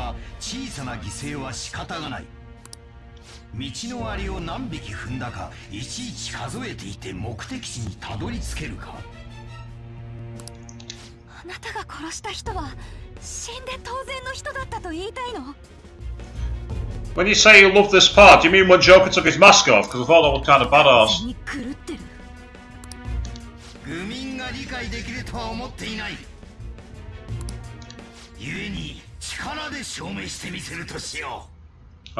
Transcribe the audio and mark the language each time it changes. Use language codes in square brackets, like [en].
[ja] こいつは興味深い巡り合わせだ。だが無駄な努力だったな。強く有能な人間が存分に活躍するには小さな犠牲は仕方がない。道のありを何匹踏んだか、いちいち数えていて目的地にたどり着けるか。あなたが殺した人は死んで当然の人だったと言いたいの？ [en] When you say you love this part, you mean when Joker took his mask off? Because I thought that was kind of badass. [ja] 愚民が理解できるとは思っていない。故に力で証明してみせるとしよう。